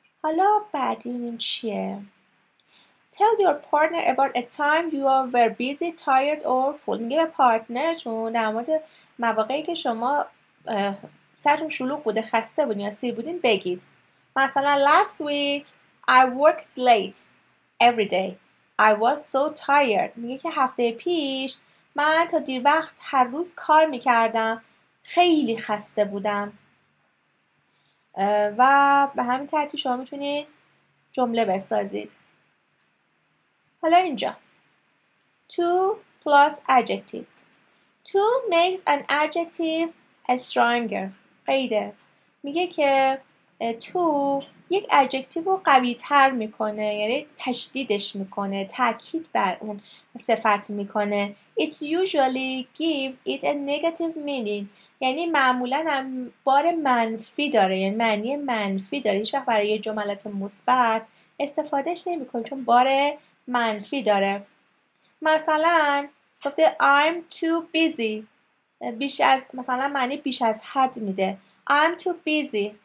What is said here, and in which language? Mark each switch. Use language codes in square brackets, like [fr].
[fa] حالا بعدی این چیه؟ [en] Tell your partner about a time you were busy, tired or full. [fa] میگه به پارتنرتون در مورد مواقعی که شما سرتون شلوغ بوده، خسته بودین یا سیر بودین بگید. [en] مثلا last week I worked late every day. I was so tired. [fa] میگه که هفته پیش من تا دیر وقت هر روز کار میکردم، خیلی خسته بودم. و به همین ترتیب شما میتونید جمله بسازید. حالا اینجا [en] to plus adjectives. To makes an adjective stronger. [fa] قیده میگه که تو یک ادجکتیو رو قوی تر میکنه، یعنی تشدیدش میکنه، تاکید بر اون صفت میکنه. [en] It usually gives it a negative meaning. [fa] یعنی معمولا هم بار منفی داره، یعنی معنی منفی داره. هیچ وقت برای یه جملات مثبت استفادهش نمیکنه چون بار منفی داره. مثلا گفته [en] I'm too busy. [fa] بیش از مثلا معنی بیش از حد میده. I'm too busy